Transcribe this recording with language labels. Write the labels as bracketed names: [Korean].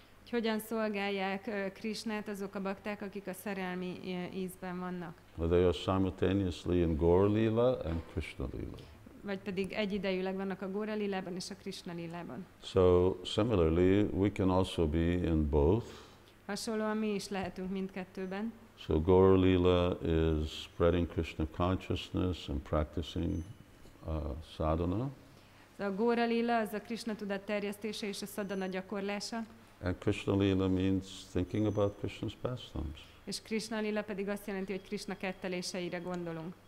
[Hungarian] Hogyan szolgálják Krishnát azok a bakták, akik a szerelmi ízben vannak? [English] Well, they are simultaneously in Gaura Lila and Krishna Lila. [Hungarian] Vagy pedig egyidejűleg vannak a Gaura Lilában és a Krishna Lilában. [English] So similarly, we can also be in both. [Hungarian] Hasonlóan mi is lehetünk mindkettőben. [English] So Gaura Lila is spreading Krishna consciousness and practicing sadhana. [Hungarian] A Gaura Lila az a Krishna tudat terjesztése és a sadhana gyakorlása. [English] And Krishna Lila means thinking about Krishna's pastimes. [Hungarian] És Krishna Lila pedig azt jelenti, hogy Krishna ketteléseire gondolunk.